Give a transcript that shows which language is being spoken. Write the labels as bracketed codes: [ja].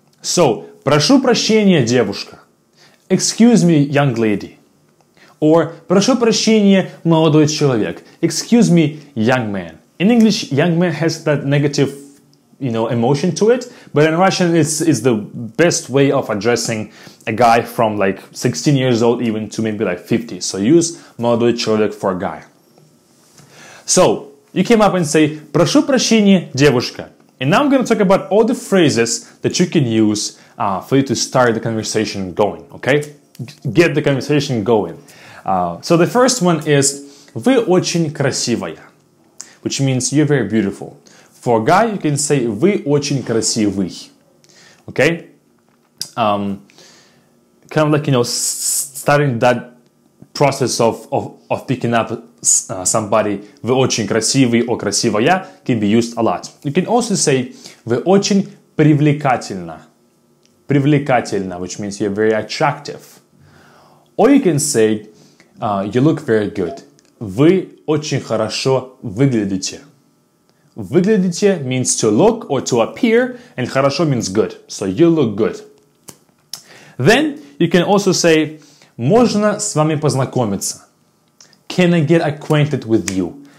[en] So, [ru] прошу прощения, девушка. [en] Excuse me, young lady. Or, [ru] прошу прощения, молодой человек. [en] Excuse me, young man. In English, young man has that negative, emotion to it. But in Russian, it's the best way of addressing a guy from like 16 years old even to maybe like 50. So use [ru] молодой человек [en] for a guy. So, you came up and say, [ru] прошу прощения, девушка. [en] And now I'm going to talk about all the phrases that you can use for you to start the conversation going, okay? Get the conversation going. So the first one is [ru] «Вы очень красивая», [en] which means you're very beautiful. For a guy, you can say [ru] «Вы очень красивый», [en] okay? Kind of like, starting that process of picking up somebody, [ru] «Вы очень красивый» [en] or [ru] «красивая» [en] can be used a lot. You can also say [ru] «Вы очень привлекательна». Привлекательно, [en] which means you're very attractive. Or you can say, you look very good. [ru] Вы очень хорошо выглядите. Выглядите [en] means to look or to appear, and [ru] хорошо [en] means good. So you look good. Then you can also say, [ru] можно с вами познакомиться. [en] Can I get acquainted with you?